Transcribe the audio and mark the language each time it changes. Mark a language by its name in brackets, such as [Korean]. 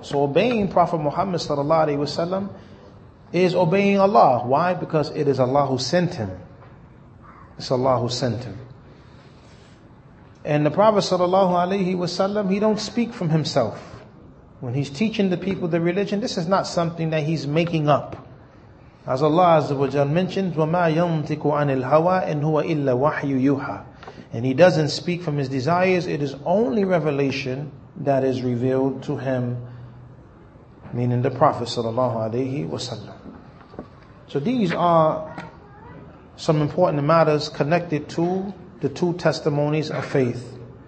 [English] So obeying Prophet Muhammad sallallahu alayhi wasallam is obeying Allah. Why? Because it is Allah who sent him. It's Allah who sent him. And the Prophet sallallahu alayhi wasallam, he don't speak from himself. When he's teaching the people the religion, this is not something that he's making up. As Allah Azza wa Jalla mentions, [Arabic] وَمَا يَنْتِكُ عَنِ الْهَوَىٰ إِنْ هُوَ إِلَّا وَحْيُّ يُوحَىٰ. [English] And he doesn't speak from his desires, it is only revelation that is revealed to him, meaning the Prophet sallallahu alayhi wasallam. So these are some important matters connected to the two testimonies of faith.